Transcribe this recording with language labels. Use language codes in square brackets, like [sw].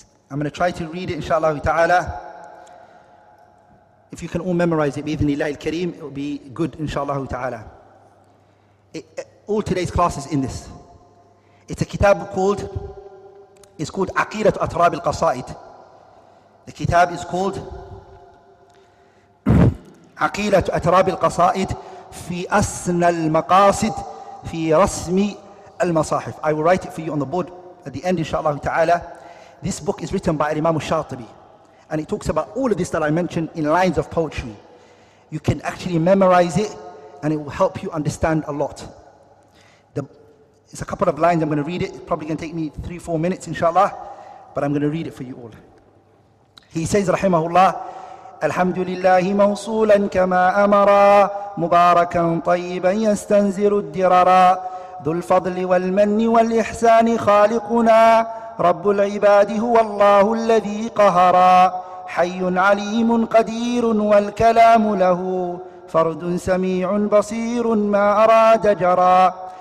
[en] I'm going to try to read it, inshallah ta'ala. If you can all memorize it, bi-ithnillahi al-kareem, it will be good, inshallah ta'ala. All today's class is in this. It's a kitab called, it's called Aqidat Atrab al-Qasa'id. The kitab is called [ar] عقيلة أتراب القصائد في أسنى المقاصد في رسم المصاحف. [en] I will write it for you on the board at the end, inshallah ta'ala. This book is written by Imam al-Shatibi, and it talks about all of this that I mentioned in lines of poetry. You can actually memorize it and it will help you understand a lot. It's a couple of lines. I'm going to read it. It's probably going to take me 3-4 minutes, inshallah, but I'm going to read it for you all. He says, [ar] rahimahullah, الحمد لله موصولا كما أمرا مباركا طيبا يستنزر الدررا ذو الفضل والمن والإحسان خالقنا رب العباد هو الله الذي قهرا حي عليم قدير والكلام له فرد سميع بصير ما أراد جرا